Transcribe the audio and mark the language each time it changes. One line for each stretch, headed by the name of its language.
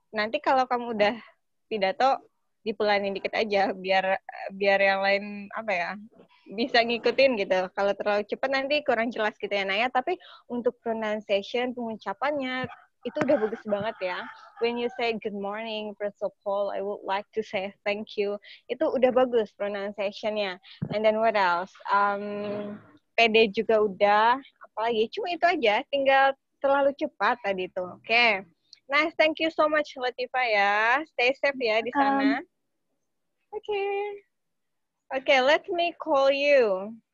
Indonesian: Nanti kalau kamu udah pidato, dipelanin dikit aja biar yang lain apa ya bisa ngikutin gitu. Kalau terlalu cepat nanti kurang jelas gitu ya Naya, tapi untuk pronunciation pengucapannya itu udah bagus banget ya.
English: When you say good morning, first of all, I would like to say thank you.
Indonesian: Itu udah bagus pronunciation-nya.
English: And then what else?
Indonesian: PD juga udah, apalagi cuma itu aja, tinggal terlalu cepat tadi itu.
English: Oke. Okay. Nice, thank you so much, Latifa ya. Stay safe
Indonesian: ya di sana.
English: Okay, let me call you.